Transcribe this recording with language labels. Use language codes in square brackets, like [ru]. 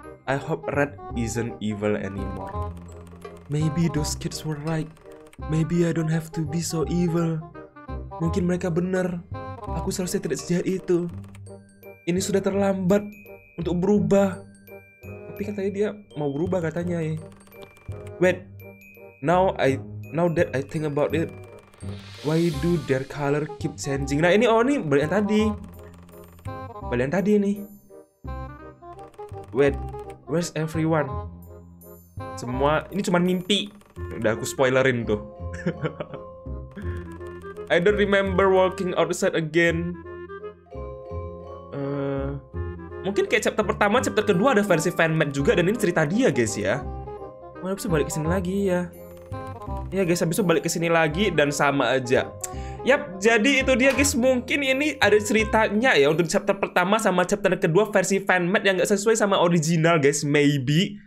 [en] I hope Red isn't evil anymore. Maybe those kids were right. Maybe I don't have to be so evil. [id] Mungkin mereka benar. Aku seharusnya tidak sejahat itu. Ini sudah terlambat untuk berubah. Tapi katanya dia mau berubah katanya. [en] Wait. Now that I think about it, why do their color keep changing? [id] Nah ini ini balian tadi. Balian tadi ini. [en] Wait. Where's everyone? [id] Semua ini cuma mimpi. Udah aku spoilerin tuh. [en] I don't remember walking outside again. [id] Mungkin kayak chapter pertama, chapter kedua ada versi fanmade juga dan ini cerita dia guys ya. Mau bisa balik ke sini lagi ya. Ya guys, habis itu balik ke sini lagi dan sama aja. Yap, jadi itu dia guys, mungkin ini ada ceritanya ya untuk chapter pertama sama chapter kedua versi fanmade yang gak sesuai sama original guys, [en] maybe.